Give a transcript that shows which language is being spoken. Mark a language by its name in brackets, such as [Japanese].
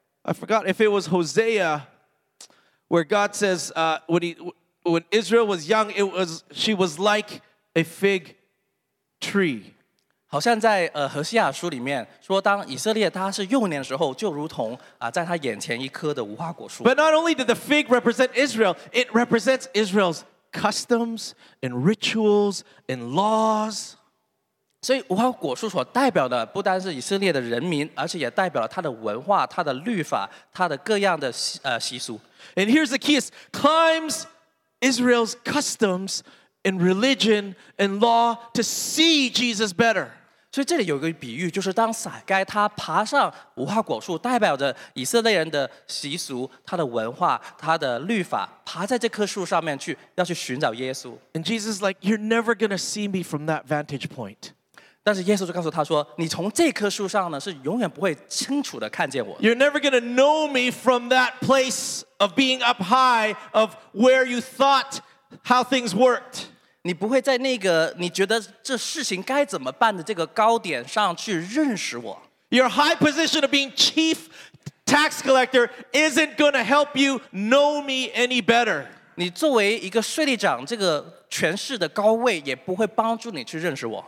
[English] I forgot if it was Hosea, where God says, when Israel was young, she was like a fig tree. [Chinese] 好像在何西亚书里面说，当以色列他是幼年的时候，就如同在他眼前一棵的无花果树。 [English] But not only did the fig represent Israel, it represents Israel's customs and rituals and laws. [Chinese] 所以无花果树所代表的不单是以色列的人民，而且也代表了他的文化、他的律法、他的各样的习俗。 [English] And here's the key: climbs Israel's customs. And religion and law to see Jesus better. [Chinese] 所以这里有一个比喻，就是当撒该他爬上无花果树，代表着以色列人的习俗、他的文化、他的律法，爬在这棵树上面去，要去寻找耶稣。 [English] And Jesus is like, you're never going to see me from that vantage point. [Chinese] 但是耶稣就告诉他说，你从这棵树上呢，是永远不会清楚的看见我。 [English] You're never going to know me from that place of being up high, of where you thought. How things worked. [Chinese] 你不会在那个你觉得这事情该怎么办的这个高点上去认识我。 [English] Your high position of being chief tax collector isn't going to help you know me any better. [Chinese] 你作为一个税吏长这个权势的高位也不会帮助你去认识我。